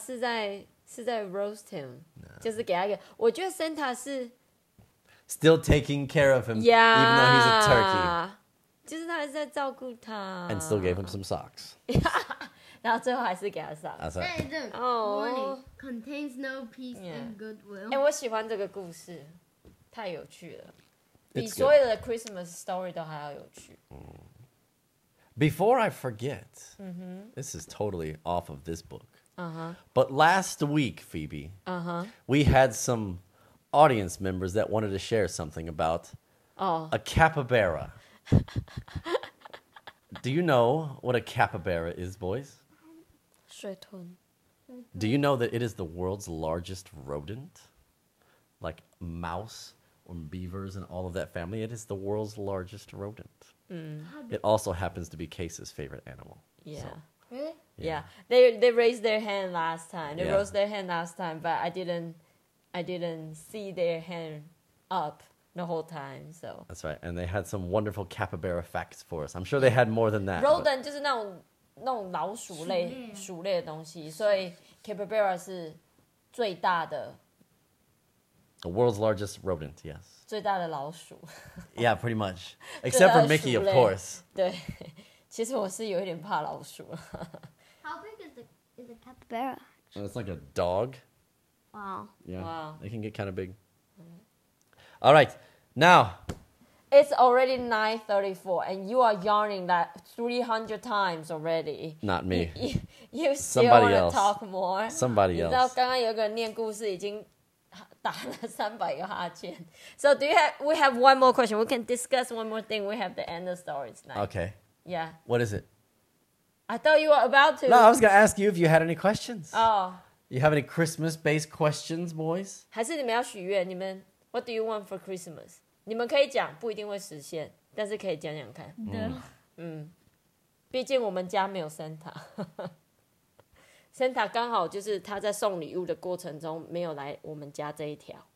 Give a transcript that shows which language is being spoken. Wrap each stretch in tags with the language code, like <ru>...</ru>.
<zh>对,可是你觉得Santa是在</zh> <en>roast him? No.</en> <zh>就是给他一个,我觉得Santa是...</zh> <en>Still taking care of him. Yeah. Even though he's a turkey.</en> <zh>就是他还是在照顾他。</zh> <en>And still gave him some socks.</en> <zh>然后最后还是给他上。哦。</zh> <en>Contains no peace and goodwill.</en> <zh>哎，我喜欢这个故事，太有趣了，比所有的</zh> <en>Christmas story</en> <zh>都还要有趣。</zh> <en>Before I forget, this is totally off of this book. Uh-huh. But last week, Phoebe, we had some audience members that wanted to share something about a capybara. Do you know what a capybara is, boys? Do you know that it is the world's largest rodent? Like mouse or beavers and all of that family, it is the world's largest rodent. Mm. It also happens to be Case's favorite animal. Yeah. Really? Yeah. They raised their hand last time. They raised their hand last time, but I didn't see their hand up the whole time. So that's right. And they had some wonderful capybara facts for us. I'm sure they had more than that.</en> <zh>Rodent 就是那种老鼠类的东西，所以 capybara 是最大的。</zh> <en>The world's largest rodent, yes.</en> <zh>最大的老鼠。</zh> <en>Yeah, pretty much. Except for Mickey, of course.</en> <zh>对，其实我是有一点怕老鼠。</zh> <en>How big is the capybara? Well, it's like a dog. Wow. Yeah. Wow. It can get kind of big. All right, now. It's already 9:34, and you are yawning that 300 times already. Not me. You still want to talk more. Somebody else.</en> <zh>你知道刚刚有个人念故事已经打了300个哈欠.</zh> <en>So do you have? We have one more question. We can discuss one more thing. We have the end of story tonight. Okay. Yeah. What is it? I thought you were about to. No, I was going to ask you if you had any questions. Oh. You have any Christmas-based questions, boys?</en> <zh>还是你们要许愿？你们</zh> <en>What do you want for Christmas?</en> <zh>你们可以讲，不一定会实现，但是可以讲讲看。对。嗯，毕竟我们家没有 Santa。Santa 刚好就是他在送礼物的过程中没有来我们家这一条。</zh>